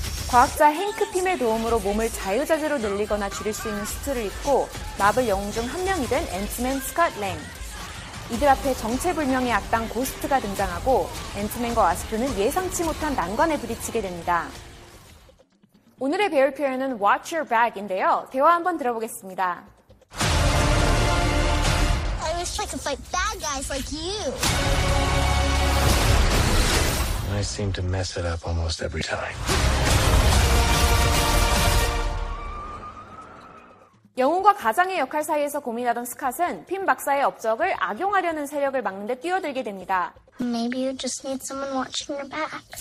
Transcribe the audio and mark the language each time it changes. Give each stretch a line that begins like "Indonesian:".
Korean: 과학자 헨크 팀의 도움으로 몸을 자유자재로 늘리거나 줄일 수 있는 수트를 입고 마블 영웅 중 한 명이 된 앤트맨 스콧 랭. 이들 앞에 정체불명의 악당 고스트가 등장하고 앤트맨과 와스프는 예상치 못한 난관에 부딪히게 됩니다. 오늘의 배울 표현은
English: watch your back
Korean: 인데요. 대화 한번 들어보겠습니다.
English: I wish I could fight bad guys like you. I seem to mess it up almost every time.
Korean: 영웅과 가장의 역할 사이에서 고민하던 스캇은 핀 박사의 업적을 악용하려는 세력을 막는 데 뛰어들게 됩니다.
English: Maybe you just need someone watching your back.